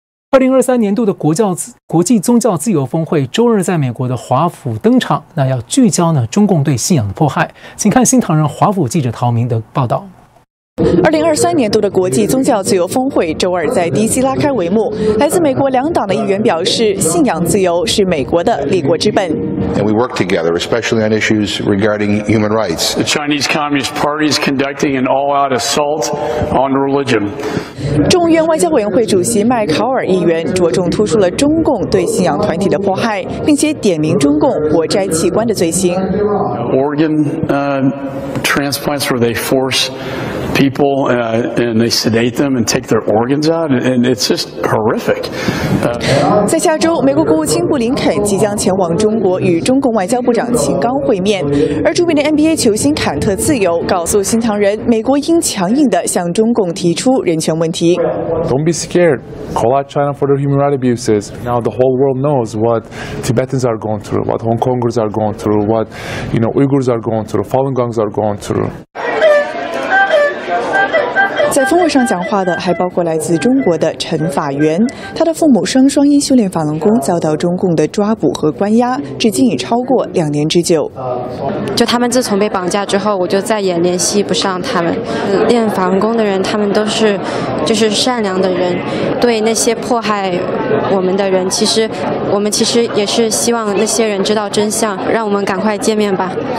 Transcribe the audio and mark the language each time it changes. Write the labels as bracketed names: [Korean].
[Chinese] 2023年度的国际宗教自由峰会周日在美国的华府登场，那要聚焦呢中共对信仰的迫害，请看新唐人华府记者陶明的报道。 2023年度的国际宗教自由峰会周二在 DC 拉开帷幕，来自美国两党的议员表示，信仰自由是美国的立国之本。 [English] And we work together, especially on issues regarding human rights. The Chinese Communist Party is conducting an all-out assault on religion. [Chinese] 众议院外交委员会主席麦考尔议员着重突出了中共对信仰团体的迫害，并且点名中共活摘器官的罪行。 [English] Organ transplants where they force people and they sedate them and take their organs out, and it's just horrific. [Chinese] 在下周，美国国务卿布林肯即将前往中国与中共外交部长秦刚会面，而著名的 NBA 球星坎特自由告诉新唐人，美国应强硬地向中共提出人权问题。 [English] Don't be scared. Call out China for their human rights abuses. Now the whole world knows what Tibetans are going through, what Hong Kongers are going through, what you know Uyghurs are going through, Falun Gongs are going through. [Chinese] 在峰峰会上讲话的还包括来自中国的陈法源，他的父母生双音修炼法轮功遭到中共的抓捕和关押，至今已超过两年之久。就他们自从被绑架之后，我就再也联系不上他们。练法轮功的人，他们都是就是善良的人，对那些迫害我们的人，我们其实也是希望那些人知道真相，让我们赶快见面吧。